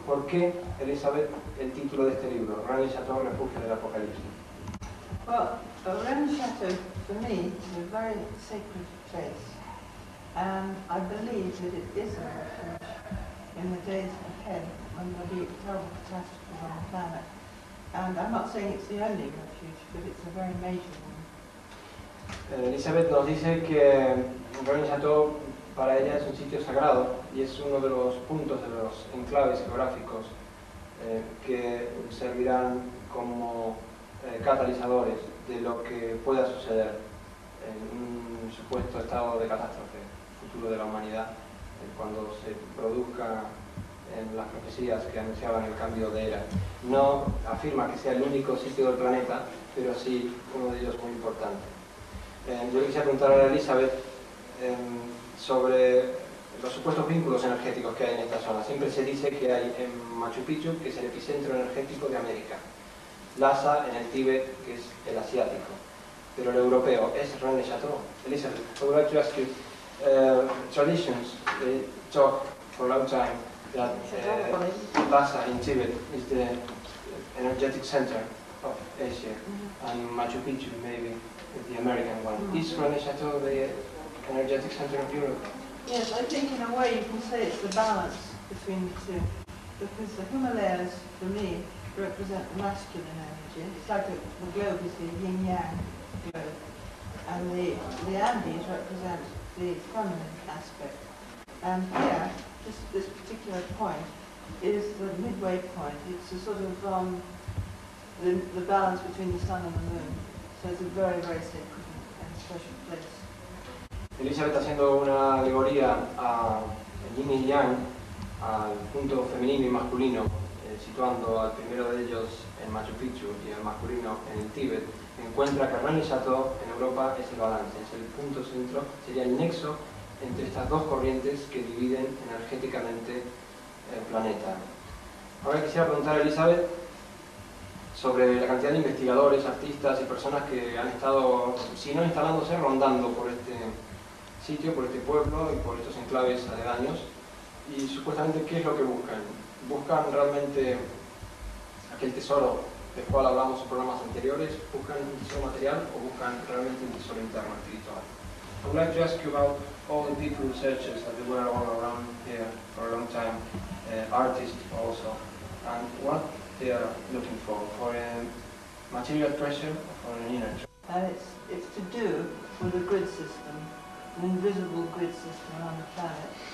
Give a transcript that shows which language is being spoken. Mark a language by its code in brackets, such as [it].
[es] ¿Por qué, Elizabeth, el título de este libro, Rennes-le-Château, refugio del apocalipsis? [en] Well, Rennes-le-Château, for me, is a very sacred place. And I believe that it is a refuge in the days ahead when there will be a terrible catastrophe on the planet. And I'm not saying it's the only refuge, but it's a very major one. [es] Elizabeth nos dice que Rennes-le-Château para ella es un sitio sagrado y es uno de los puntos, de los enclaves geográficos que servirán como catalizadores de lo que pueda suceder en un supuesto estado de catástrofe futuro de la humanidad, cuando se produzca en las profecías que anunciaban el cambio de era. No afirma que sea el único sitio del planeta, pero sí uno de ellos muy importante. Yo quisiera preguntar a Elizabeth sobre los supuestos vínculos energéticos que hay en esta zona. Siempre se dice que hay en Machu Picchu, que es el epicentro energético de América. Lhasa en el Tíbet, que es el asiático. Pero el europeo es Rennes-le-Château. [en] Elizabeth, I would like to ask you, traditions talk for a long time that Lhasa in Tibet is the energetic center of Asia, and Machu Picchu maybe the American one. Is Rennes-le-Château the energetic center of Europe? Yes, I think in a way you can say it's the balance between the two, because the Himalayas for me represent the masculine energy. It's like the globe is the yin yang globe, and the Andes represent the feminine aspect. And here, this particular point is the midway point. It's a sort of the balance between the sun and the moon. So it's a very, very sacred and special place. [es] Elizabeth haciendo una alegoría a yin y yang, al punto femenino y masculino, situando al primero de ellos en Machu Picchu y al masculino en el Tíbet, encuentra que Rennes-le-Château en Europa es el balance, es el punto centro, sería el nexo entre estas dos corrientes que dividen energéticamente el planeta. Ahora quisiera preguntar a Elizabeth sobre la cantidad de investigadores, artistas y personas que han estado, si no instalándose, rondando por este sitio, por este pueblo y por estos enclaves aledaños, y supuestamente, ¿qué es lo que buscan? ¿Buscan realmente aquel tesoro del cual hablamos en programas anteriores? ¿Buscan un tesoro material o buscan realmente un tesoro interno, espiritual? [en] I would like to ask you about all the people researchers that they were all around here for a long time, artists also, and what they are looking for a material treasure or for an inner treasure? It's to do with a grid system, an invisible grid system on the planet.